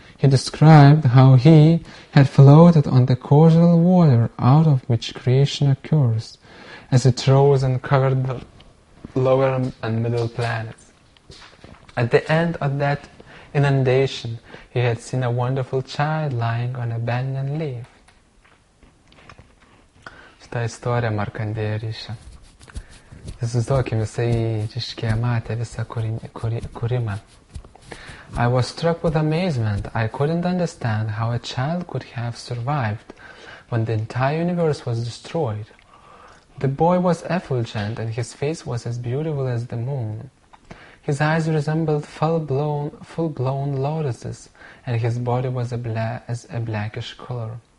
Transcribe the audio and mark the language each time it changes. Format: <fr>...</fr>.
<en>He described how he had floated on the causal water out of which creation occurs, as it rose and covered the lower and middle planets. At the end of that inundation, he had seen a wonderful child lying on a banyan leaf.</en> <lt>Šitą istoriją Markandėja ryšia. Įsivaizduokim, jisai ryškiai matė visą kūrimą.</lt> <en>I was struck with amazement. I couldn't understand how a child could have survived when the entire universe was destroyed. The boy was effulgent and his face was as beautiful as the moon. His eyes resembled full-blown lotuses, and his body was a blackish color.</en>